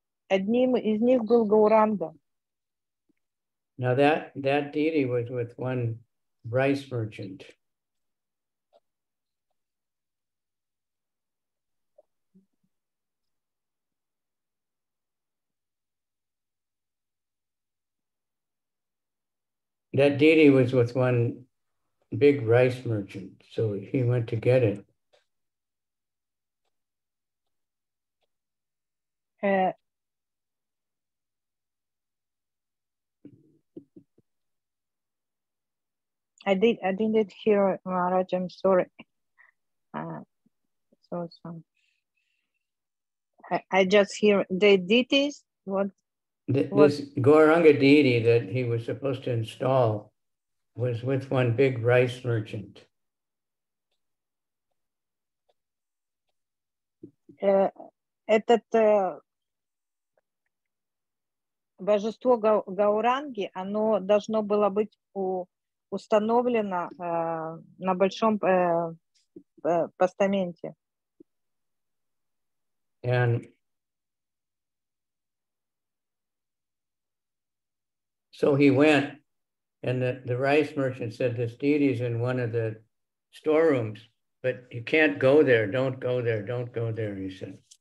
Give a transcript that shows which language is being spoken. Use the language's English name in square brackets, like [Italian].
[Russian] Одним из них был Гауранга. [English] Now that deity was with one rice merchant. That deity was with one big rice merchant, so he went to get it. I didn't hear Maharaj, I'm sorry. I just hear the deities, This Gauranga deity that he was supposed to install was with one big rice merchant. [Russian] Этот божество Гауранги, оно должно было быть установлено на большом постаменте. [English] And so he went, and the rice merchant said, this deity is in one of the storerooms, but you can't go there, don't go there, don't go there, he said.